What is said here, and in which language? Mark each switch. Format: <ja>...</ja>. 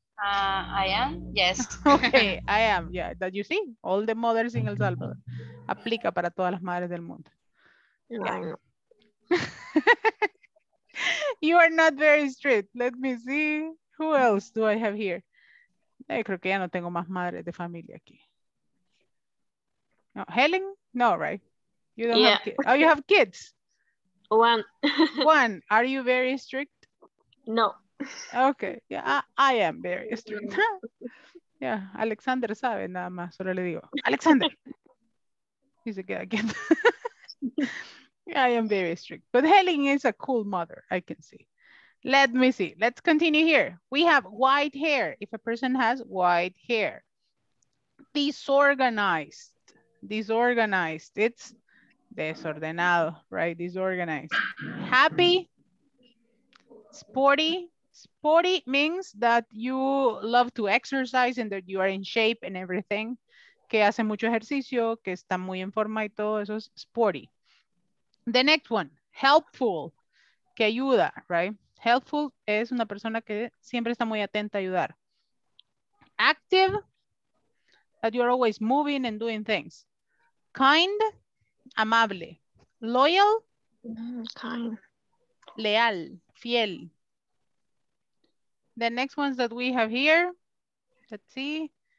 <en>I am, yes. Okay, I am, yeah, that you see, all the mothers in El Salvador.</en> <es>Aplica para todas las madres del mundo.</es> <en>Yeah. You are not very strict. Let me see, who else do I have here?</en> <es>Hey, creo que ya no tengo más madres de familia aquí.</es> <en>No, Helen, no, right? You don't have kids. Oh, you have kids? One. One, are you very strict? No. Okay, yeah, I am very strict.</en> <es>Yeah, Alexander sabe nada más, solo le digo.</es> <en>Alexander. He</en> <es>se queda quieto.</es> <en>Yeah, I am very strict. But Helen is a cool mother, I can see. Let me see. Let's continue here. We have white hair. If a person has white hair, disorganized. Disorganized. It's desordenado, right? Disorganized. Happy. Sporty. Sporty means that you love to exercise and that you are in shape and everything.</en> <es>Que hace mucho ejercicio, que está muy en forma y todo eso es sporty.</es> <en>The next one, helpful.</en> <es>Que ayuda,</es> <en>right?</en> <es>Helpful es una persona que siempre está muy atenta a ayudar.</es> <en>Active, that you're always moving and doing things. Kind, amable. Loyal, kind.</en> <es>Leal, fiel.</es> <en>The next ones that we have here, let's see.</en>